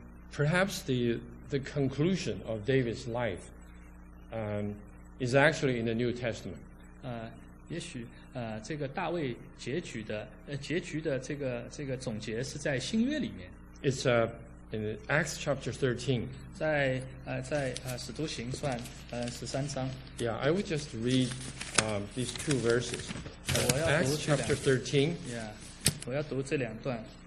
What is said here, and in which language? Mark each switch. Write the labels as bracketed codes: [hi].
[en] Perhaps the conclusion of David's life is actually in the New Testament. [zh] 也许这个大卫结局的这个总结是在新约里面。 [en] It's a in Acts chapter 13. [zh] 在使徒行传十三章。 [en] Yeah, I would just read these two verses. [zh] 我要读 [en] Acts chapter 13. [zh] Yeah, 我要读这两段。